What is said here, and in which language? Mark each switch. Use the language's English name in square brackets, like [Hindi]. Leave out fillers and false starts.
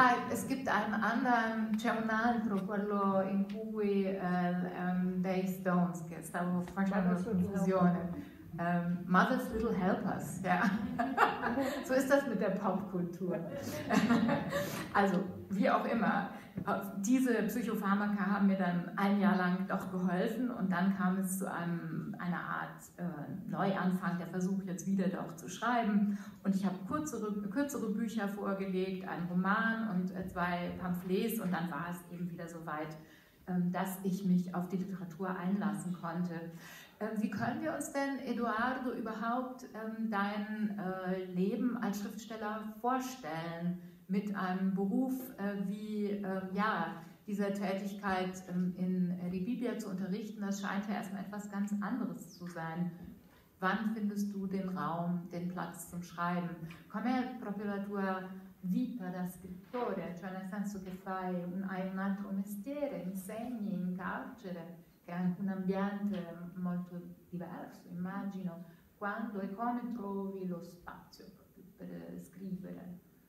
[German] Es gibt einen anderen [Italian] un altro quello in cui dei Stones, che stavo facendo confusione. [German] Mother's Little Helpers, ja. So ist das mit der Popkultur. Also, wie auch immer, diese Psychopharmaka haben mir dann ein Jahr lang doch geholfen und dann kam es zu einer Art Neuanfang, der Versuch jetzt wieder doch zu schreiben. Und ich habe kürzere Bücher vorgelegt, einen Roman und zwei Pamphlets und dann war es eben wieder so weit, dass ich mich auf die Literatur einlassen konnte. Wie können wir uns denn, Eduardo, überhaupt dein Leben als Schriftsteller vorstellen mit einem Beruf wie ja, dieser Tätigkeit in die Bibel zu unterrichten? Das scheint ja erstmal etwas ganz anderes zu sein. Wann findest du den Raum, den Platz zum Schreiben? [Italian] Come è proprio la tua vita da scrittore? Cioè nel senso che fai un altro mestiere, insegni in carcere? È anche un ambiente molto diverso, immagino. Quando e come trovi lo spazio per scrivere?